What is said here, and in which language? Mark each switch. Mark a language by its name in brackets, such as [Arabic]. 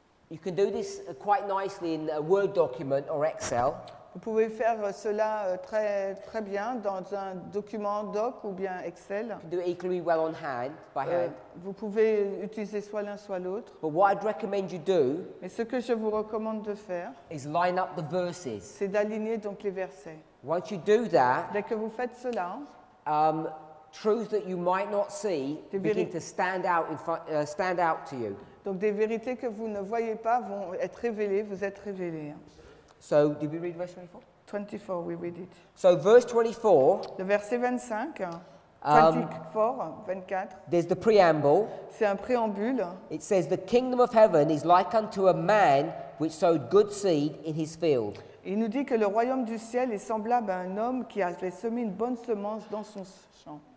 [English] You can do this quite nicely in a Word document or Excel. [French] Vous pouvez faire cela très très bien dans un document doc ou bien Excel. [English] You can do it equally well on hand, by hand. [French] Vous pouvez utiliser soit l'un soit l'autre. [English] But what I'd recommend you do. [French] Mais ce que je vous recommande de faire. [English] Is line up the verses. [French] C'est d'aligner donc les versets. [English] Once you do that. [French] Dès que vous faites cela. [English] Truths that you might not see begin to stand out in front, stand out to you. [French] Donc des vérités que vous ne voyez pas vont être révélées, vous êtes révélées. [English] So, did we read verse 24? 24, we read it. So, verse 24. [French] Le verset 25. 24. [English] There's the preamble. [French] C'est un préambule. [English] It says, the kingdom of heaven is like unto a man which sowed good seed in his field. [French] Il nous dit que le royaume du ciel est semblable à un homme qui avait semé une bonne semence dans son champ.